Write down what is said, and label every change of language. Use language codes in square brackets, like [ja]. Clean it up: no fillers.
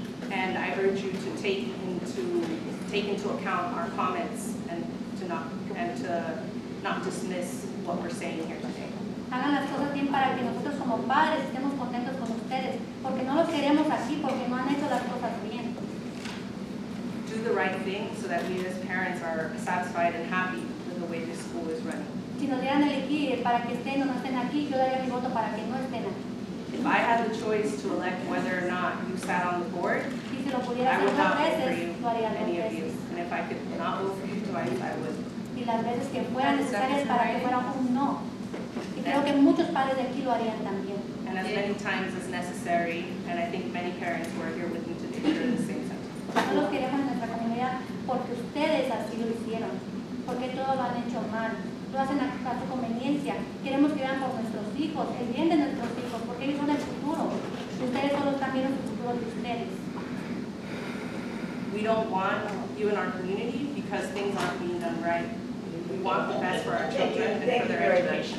[en] And I urge you to take into account our comments and to not dismiss what we're saying here today. [es] Hagan las cosas bien para que nosotros como padres estemos contentos con ustedes, porque no los queremos así, porque no han hecho las cosas bien. [en] Do the right thing so that we as parents are satisfied and happy with the way this school is running. [es] Si nos dieran elegir para que estén o no estén aquí, yo daría mi voto para que no estén aquí. [en] If I had the choice to elect whether or not you sat on the board, [es] si lo pudiera hacer dos veces, lo haría dos veces. [en] And if I could not vote for you twice, I would. [es] Y y las veces que fueran necesarias para que fuera un no. Y creo que muchos padres de aquí lo harían también. [en] And as many times as necessary, and I think many parents who are here with me today are the same sentence. [es] No los queremos en nuestra comunidad porque ustedes así lo hicieron, porque todos lo han hecho mal, lo hacen a su conveniencia. Queremos que vean por nuestros hijos, el bien de nuestros hijos, porque ellos son el futuro. Ustedes solo están viendo el futuro de ustedes. [en] We don't want you in our community because things aren't being done right. We want the best for our children and for their education.